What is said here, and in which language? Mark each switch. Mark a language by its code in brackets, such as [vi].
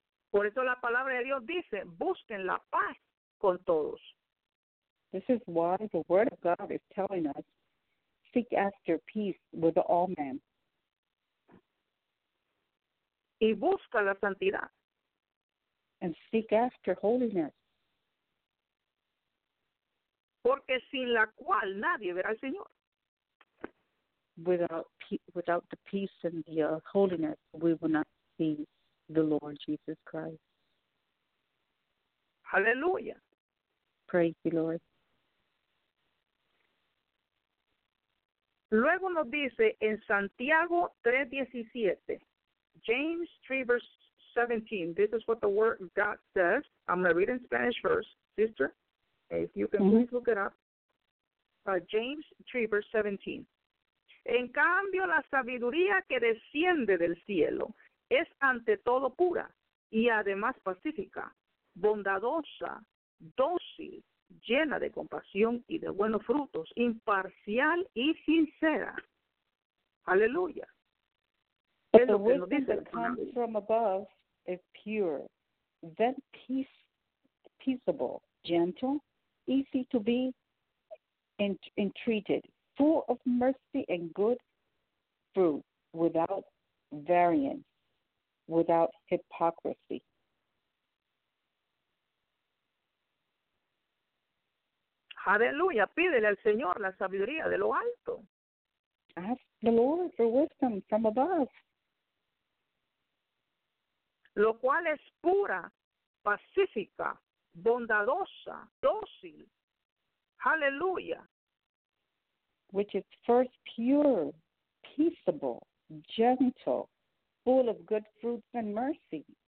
[es] Por eso la palabra de Dios dice, busquen la paz con todos. [en] This is why the word of God is telling us, seek after peace with all men. [es] Y busca la santidad. [en] And seek after holiness. [es] Porque sin la cual nadie verá al Señor. [en] Without the peace and the holiness, we will not see the Lord Jesus Christ. Hallelujah. Praise the Lord. [es] Luego nos dice en Santiago [en] 3:17, James 3:17, this is what the word God says. I'm going to read in Spanish first, sister. If you can mm-hmm. please look it up. James 3:17. [es] En cambio, la sabiduría que desciende del cielo es ante todo pura y además pacífica, bondadosa, dócil, llena de compasión y de buenos frutos, imparcial y sincera. Aleluya. [en] But the wisdom that comes from above is pure, then peaceable, gentle, easy to be entreated, full of mercy and good fruit, without variance, without hypocrisy. [es] Aleluya, pídele al Señor la sabiduría de lo alto. [en] Ask the Lord for wisdom from above. [es] Lo cual es pura, pacífica, bondadosa, dócil. Aleluya. [en] Which is first pure, peaceable, gentle, full of good fruits and mercy.